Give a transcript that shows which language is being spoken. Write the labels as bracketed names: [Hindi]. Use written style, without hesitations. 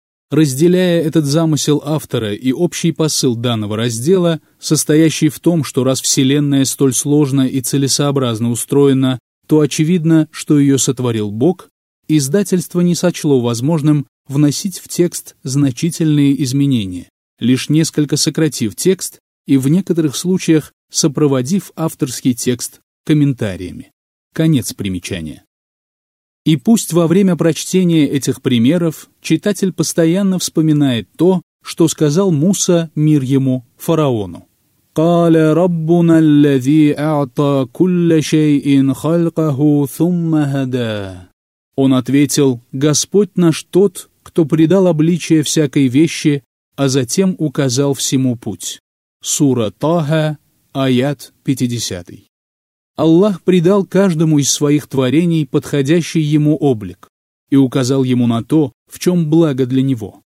[Russian] Разделяя этот замысел автора и общий посыл данного раздела, состоящий в том, что раз Вселенная столь сложно и целесообразно устроена, то очевидно, что ее сотворил Бог, издательство не сочло возможным вносить в текст значительные изменения, лишь несколько сократив текст и в некоторых случаях сопроводив авторский текст комментариями. Конец примечания. И пусть во время прочтения этих примеров читатель постоянно вспоминает то, что сказал Муса, мир ему, фараону. [Arabic] قال ربنا الذي أعطى كل شيء خلقه ثم هدى. [Russian] Он ответил: Господь наш тот, кто придал обличие всякой вещи, а затем указал всему путь. Сура Таха, аят 50. Аллах придал каждому из своих творений подходящий ему облик и указал ему на то, в чем благо для него.